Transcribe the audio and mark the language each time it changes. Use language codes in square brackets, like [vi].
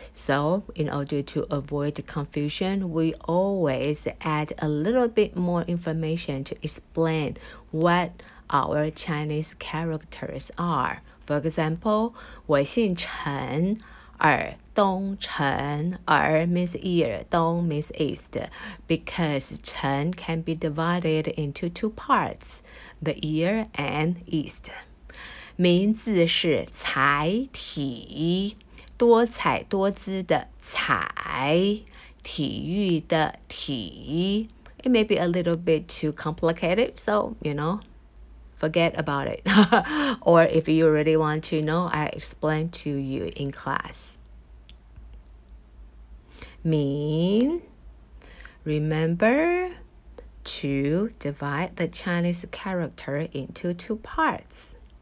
[en] So, in order to avoid confusion, we always add a little bit more information to explain what our Chinese characters are. For example, [zh] 我姓陈耳东陈 [en] 耳 means ear, 东 means east, because 陈 can be divided into two parts, the ear and east. [zh] 名字是彩体，多彩多姿的彩，体育的体。 [en] It may be a little bit too complicated, so, you know, forget about it. Or if you really want to know, I'll explain to you in class. 名, remember to divide the Chinese character into two parts.